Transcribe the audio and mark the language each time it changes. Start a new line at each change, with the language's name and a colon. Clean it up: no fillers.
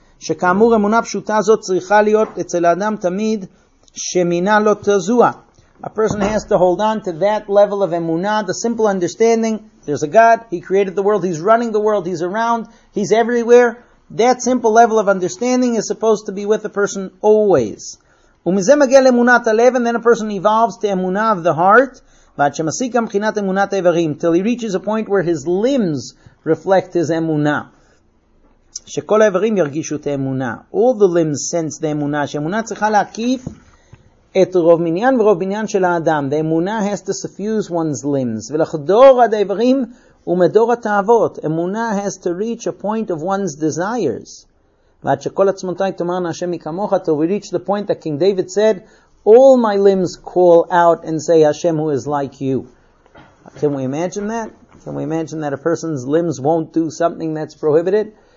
Hebrew: שכאמור אמונה פשוטה זאת צריכה להיות אצל האדם תמיד שמינה לא תזוע.
English: A person has to hold on to that level of emunah, the simple understanding, there's a God, he created the world, he's running the world, he's around, he's everywhere. That simple level of understanding is supposed to be with a person always.
Hebrew: ומזה מגיע לאמונת הלב,
English: and then a person evolves to אמונה of the heart,
Hebrew: ועד שמסיק גם מבחינת אמונת האיברים,
English: till he reaches a point where his limbs reflect his אמונה.
Hebrew: שכל האיברים ירגישו את האמונה.
English: All the limbs sense the אמונה.
Hebrew: שאמונה צריכה להקיף את רוב מניין ורוב בניין של האדם.
English: The אמונה has to suffuse one's limbs.
Hebrew: ולחדור עד האיברים ומדור התאוות.
English: אמונה has to reach a point of one's desires.
Hebrew: ועד שכל עצמותיי תאמר נעשה מכמוך,
English: till we reach the point that King David said, all my limbs call out and say, Hashem, who is like you. Can we imagine that? Can we imagine that a person's limbs won't do something that's prohibited?